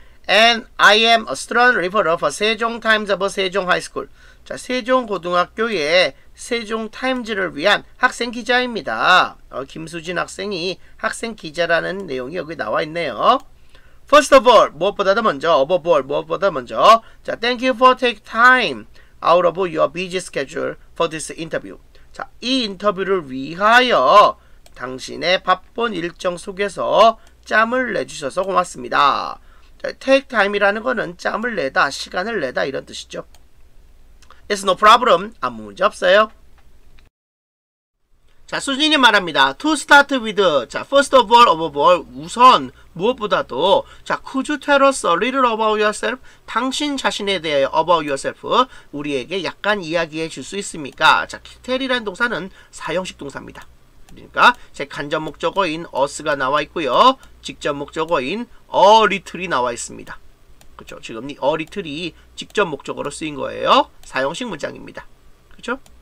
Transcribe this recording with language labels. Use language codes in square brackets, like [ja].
[en] And I am a strong reporter for Sejong Times of Sejong High School. [ko] 자, 세종 고등학교의 세종 타임즈를 위한 학생 기자입니다. 김수진 학생이 학생 기자라는 내용이 여기 나와 있네요. [en] First of all, [ko] 무엇보다도 먼저, [en] above all, [ko] 무엇보다 먼저. [en] 자, thank you for taking time out of your busy schedule for this interview. [ko] 자, 이 인터뷰를 위하여 당신의 바쁜 일정 속에서 짬을 내주셔서 고맙습니다. 자, take time이라는 거는 짬을 내다, 시간을 내다 이런 뜻이죠. [en] It's no problem. [ko] 아무 문제 없어요. 자, 수진이 말합니다. [en] To start with. 자, first of all, above all. [ko] 우선 무엇보다도. [en] 자, could you tell us a little about yourself? [ko] 당신 자신에 대해 [en] about yourself. [ko] 우리에게 약간 이야기해 줄 수 있습니까? 자, tell이라는 동사는 사형식 동사입니다. 그러니까 제 간접 목적어인 us가 나와 있고요. 직접 목적어인 a little이 나와 있습니다. 그렇죠? 지금 이 a little이 직접 목적으로 쓰인 거예요. 사형식 문장입니다. 그렇죠?